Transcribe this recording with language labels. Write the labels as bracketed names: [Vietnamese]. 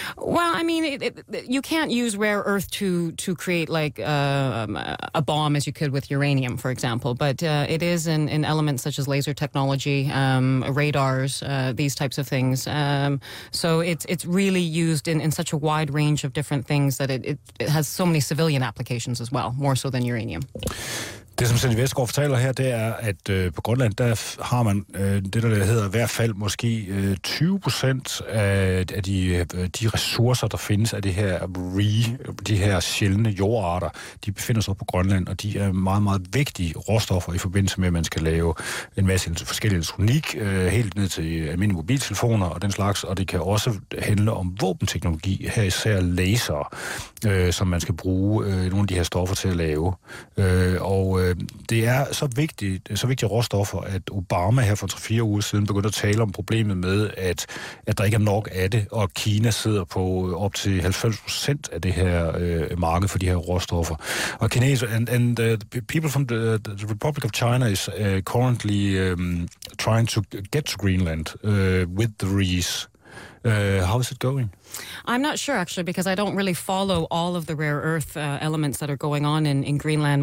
[English] Well, I mean, you can't use rare earth to create like a bomb as you could with uranium, for example. But it is in elements such as laser technology, radars, these types of things. So it's really used in such a wide range of different things that it has so many civilian applications as well, more so than uranium. [Danish] Det, som Sandy Vestgaard fortæller her, det er, at på Grønland, der har man det, der hedder i hvert fald måske 20% af de ressourcer, der findes af de her sjældne jordarter, de befinder sig på Grønland, og de er meget, meget vigtige råstoffer i forbindelse med, at man skal lave en masse forskellige elektronik, helt ned til almindelige mobiltelefoner og den slags, og det kan også handle om våbenteknologi, her især laser, som man skal bruge nogle af de her stoffer til at lave, og det er så vigtige råstoffer, at Obama her for 3-4 uger siden begyndte at tale om problemet med, at der ikke er nok af det, og Kina sidder på op til 90% af det her marked for de her råstoffer. Og kineser, [English] and people from the Republic of China is currently trying to get to Greenland with the rees. How is it going? I'm not sure, actually, because I don't really follow all of the rare earth elements that are going on in Greenland.